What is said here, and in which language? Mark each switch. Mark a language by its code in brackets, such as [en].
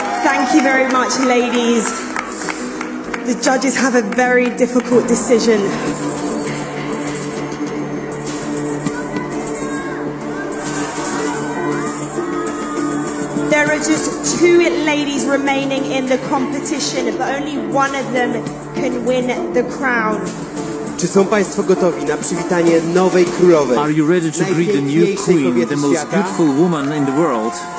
[en] Thank you very much, ladies. The judges have a very difficult decision. There are just two ladies remaining in the competition, but only one of them can win the crown. [pl] Czy są Państwo gotowi na przywitanie nowej królowej? [en] Are you ready to greet the new queen, the most beautiful woman in the world?